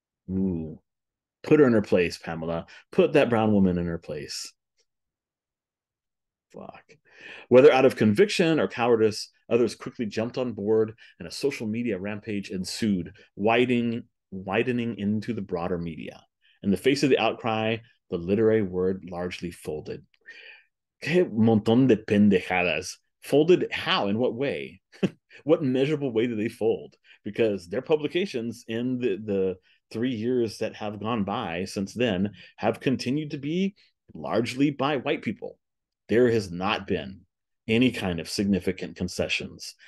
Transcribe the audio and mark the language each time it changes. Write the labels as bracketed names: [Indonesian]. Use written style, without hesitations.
[English] Ooh, put her in her place, Pamela. Put that brown woman in her place. Fuck. Whether out of conviction or cowardice, others quickly jumped on board and a social media rampage ensued, widening into the broader media. In the face of the outcry, the literary word largely folded. [Spanish] Qué montón de pendejadas. [English] Folded how? In what way? What measurable way do they fold? Because their publications in the 3 years that have gone by since then have continued to be largely by white people. There has not been any kind of significant concessions.